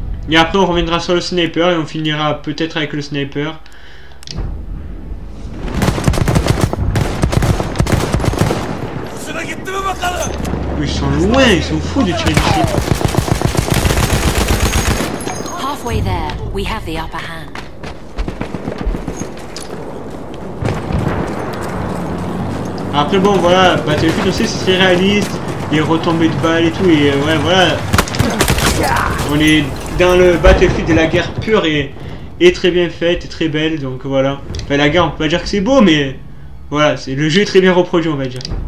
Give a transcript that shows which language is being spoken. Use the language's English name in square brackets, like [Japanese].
[French] Et après on reviendra sur le sniper et on finira peut-être avec le sniper. Ils sont loin, ils sont fous de tirer dessus. [English] Halfway there, we have the upper hand. [French] Après bon voilà, Battlefield aussi c'est réaliste, les retombées de balles et tout, et ouais voilà. On est dans le Battlefield de la guerre pure et très bien faite et très belle, donc voilà. Enfin la guerre on peut pas dire que c'est beau, mais voilà, c'est le jeu est très bien reproduit on va dire.